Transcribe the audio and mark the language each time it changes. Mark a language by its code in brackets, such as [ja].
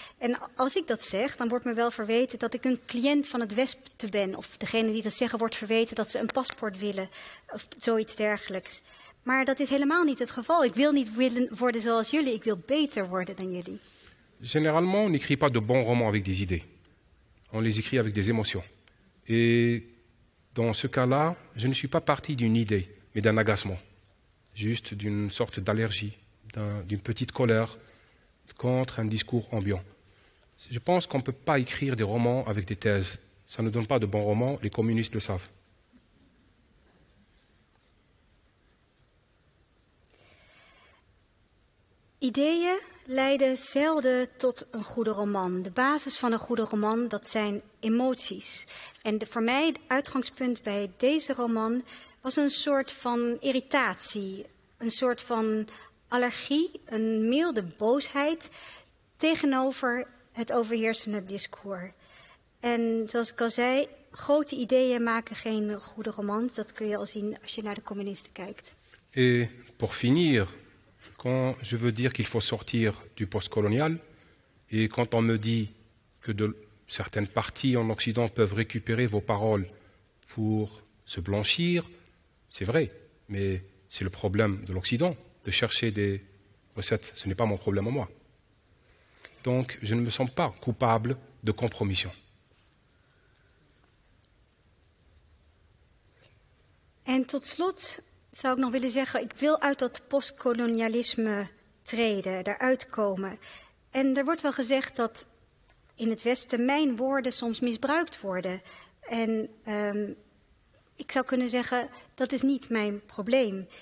[nl] En als ik dat zeg, dan wordt me wel verweten dat ik een cliënt van het Westen ben. Of degene die dat zeggen wordt verweten dat ze een paspoort willen. Of zoiets dergelijks. Maar dat is helemaal niet het geval. Ik wil niet worden zoals jullie. Ik wil beter worden dan jullie. [fr] Généralement, on n'écrit pas de bons romans avec des idées. On les écrit avec des émotions. Et dans ce cas-là, je ne suis pas parti d'une idée, mais d'un agacement. Juste d'une sorte d'allergie, d'une petite colère contre un discours ambiant. Je pense qu'on ne peut pas écrire des romans avec des thèses. Ça ne donne pas de bons romans, les communistes le savent. [nl] Ideeën leiden zelden tot een goede roman. De basis van een goede roman, dat zijn emoties. En voor mij het uitgangspunt bij deze roman was een soort van irritatie, een soort van allergie, een milde boosheid tegenover het overheersende discours. En zoals ik al zei, grote ideeën maken geen goede romans. Dat kun je al zien als je naar de communisten kijkt. [fr] Et pour finir, quand je veux dire qu'il faut sortir du postcolonial, et quand on me dit que certaines parties en Occident peuvent récupérer vos paroles pour se blanchir, c'est vrai, mais c'est le problème de l'Occident de chercher des recettes. Ce n'est pas mon problème à moi. Donc, je ne me sens pas coupable de compromission. [nl] En tot slot zou ik nog willen zeggen, ik wil uit dat postkolonialisme treden, daaruit komen. En er wordt wel gezegd dat in het Westen mijn woorden soms misbruikt worden. En ik zou kunnen zeggen, dat is niet mijn probleem.